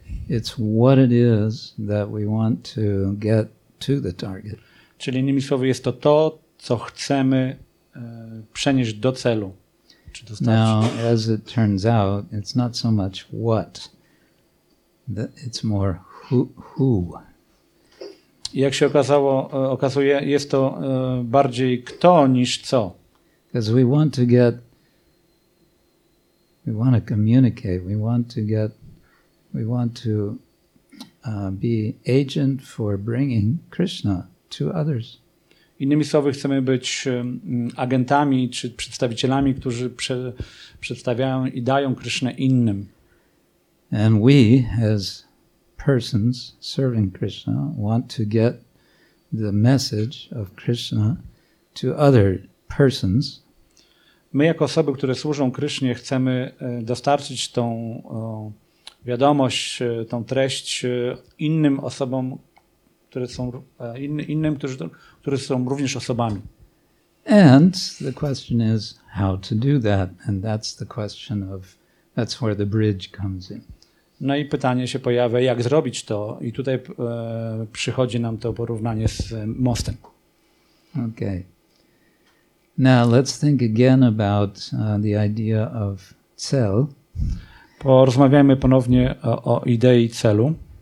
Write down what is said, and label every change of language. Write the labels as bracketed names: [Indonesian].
[English] It's what it is that we want to get to the target. [Polish] Czyli innymi słowy, jest to, co chcemy przenieść do celu. Czy dostarczyć. [English] Now, as it turns out, it's not so much what, it's more who. [Polish] I jak się okazuje, jest to bardziej kto niż co. [English] Because we want to get. We want to communicate. We want to be agent for bringing Krishna to others. [Polish] Innymi słowy, chcemy być agentami czy przedstawicielami, którzy przedstawiają i dają Krishnę innym. [English] And we, as persons serving Krishna, want to get the message of Krishna to other persons. [Polish] My jako osoby, które służą Krysznie, chcemy dostarczyć tą wiadomość, tą treść innym osobom, które są również osobami. [English] And the question is how to do that, and that's the question of that's where the bridge comes in. [Polish] No i pytanie się pojawia, jak zrobić to, i tutaj przychodzi nam to porównanie z mostem. [English] Okay. Now let's think again about the idea of cel. [Polish] Porozmawiajmy ponownie o idei celu.